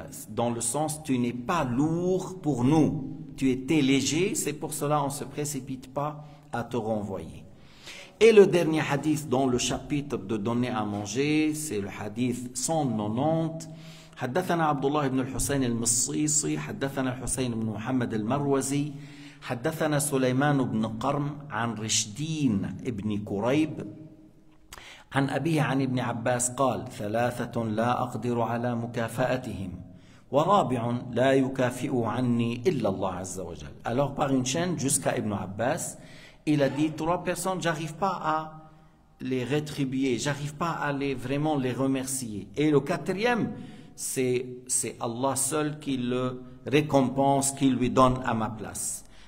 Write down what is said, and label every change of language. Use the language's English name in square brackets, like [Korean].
[French] Dans le sens, tu n'es pas lourd pour nous, tu étais léger, c'est pour cela on ne se précipite pas à te renvoyer. Et le dernier hadith dans le chapitre de donner à manger, c'est le hadith 190. [Arabic] حدثنا عبد الله بن الحسين المصيصي حدثنا الحسين بن محمد المروزي حدثنا سليمان بن قرم عن رشدين بن كريب عن أبيه عن ابن عباس قال: ثلاثة لا أقدر على مكافأتهم ورابع لا يكافئ عني إلا الله عز وجل. [French] Alors par une chaîne jusqu'à Ibn Abbas, il a dit: trois personnes, j'arrive pas à les rétribuer, j'arrive pas à les vraiment les remercier, et le quatrième, c'est Allah seul qui le récompense, qui lui donne à ma place.